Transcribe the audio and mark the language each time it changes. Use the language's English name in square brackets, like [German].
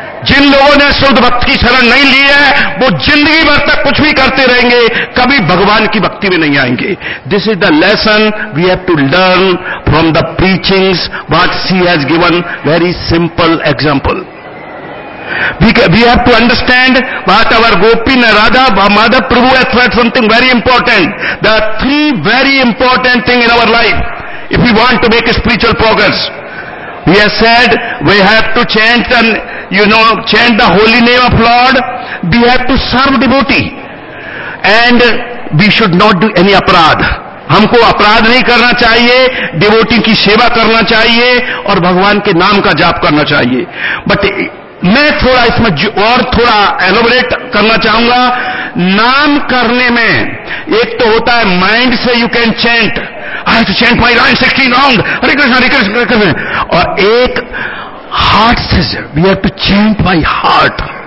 [Hindi] जिन लोगों ने शुद्ध भक्त की शरण नहीं ली है वो जिंदगी भर तक कुछ भी करते रहेंगे, कभी भगवान की भक्ति में नहीं आएंगे। [English] This is the lesson we have to learn from the preachings what she has given, very simple example. We have to understand what our Gopi Narada, Madhav Prabhu has said something very important. The three very important things in our life, if we want to make a spiritual progress, he has said we have to chant and chant the holy name of Lord. We have to serve devotee, and we should not do any apradh. [Hindi] हमको अपराध नहीं करना चाहिए, devotee की सेवा करना चाहिए और भगवान के नाम का जाप करना चाहिए। But मैं थोड़ा इसमें और थोड़ा एलोबरेट करना चाहूंगा। नाम करने में एक तो होता है माइंड से, [English] you can chant, I have to chant my rain 16 round, [Hindi] हरे कृष्ण हरे कृष्ण हरे कृष्ण, और एक हार्ट से, [English] We have to chant my heart.